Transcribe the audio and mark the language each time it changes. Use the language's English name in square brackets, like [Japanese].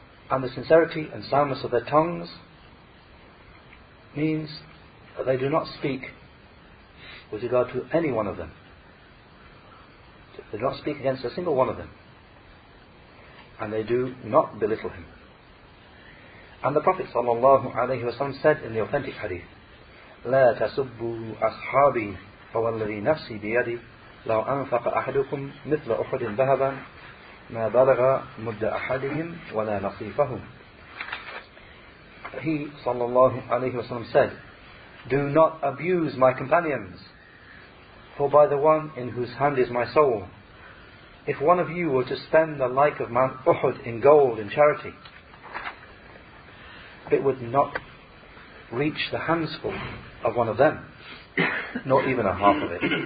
[English] And the sincerity and soundness of their tongues means that they do not speak with regard to any one of them. They do not speak against a single one of them. And they do not belittle him. And the Prophet sallallahu alayhi wa sallam said in the authentic hadith, [Arabic] لا تسبوا أصحابي فوالذي نفسي بيدي لو أنفق أحدكم مثل أحد ذهبا ما بلغ مد أحدهم ولا نصيفهم. [English] He sallallahu alayhi wa sallam said, do not abuse my companions, for by the one in whose hand is my soul, if one of you were to spend the like of Mount Uhud in gold in charity, it would not reach the handsful of one of them, nor even a half of it.